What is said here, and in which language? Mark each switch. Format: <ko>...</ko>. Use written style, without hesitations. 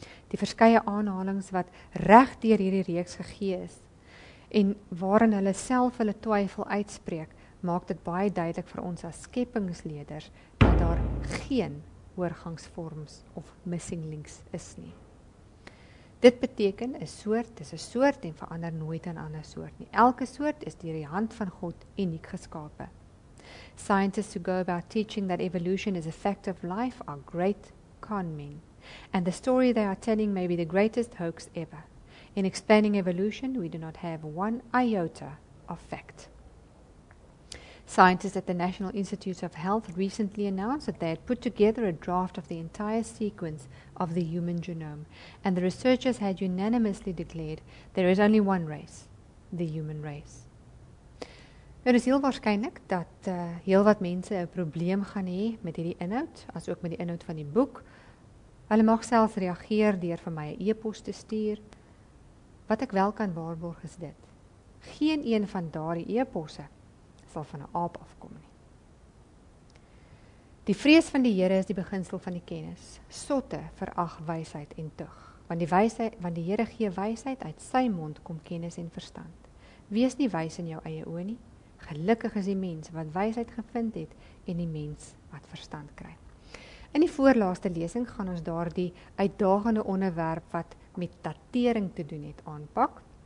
<af>Die verskeie aanhalings wat reg deur hierdie reeks gegee is en waarin hulle self hulle twyfel uitspreek, maak dit baie duidelik vir ons as skepingsleerders dat daar geen oorgangsvorms of missing links is nie. Dit beteken, 'n soort is 'n soort en verander nooit in 'n ander soort nie. Elke soort is deur die hand van God uniek geskape.</af> <en>Scientists who go about teaching that evolution is a fact of life are great con men. And the story they are telling may be the greatest hoax ever. In explaining evolution, we do not have one iota of fact. Scientists at the National Institutes of Health recently announced that they had put together a draft of the entire sequence of the human genome, and the researchers had unanimously declared there is only one race, the human race.</en> <af>Er is heel waarskynlik dat heel wat mense 'n probleem gaan hê met hierdie inhoud, as ook met die inhoud van die boek. Hulle mag self reageer deur vir my 'n e-pos te stuur. Wat ek wel kan waarborg is dit. Geen een van daardie e-posse sal van 'n aap afkom nie. Die vrees van die Here is die beginsel van die kennis. Sotte verag wysheid en tug, want die Here gee wysheid uit sy mond kom kennis en verstand. Wees nie wys in jou eie oë nie. Gelukkig is die mens wat wysheid gevind het en die mens wat verstand kry. In die voorlaaste lesing gaan ons daardie uitdagende onderwerp wat met datering te doen het aanpak.</af>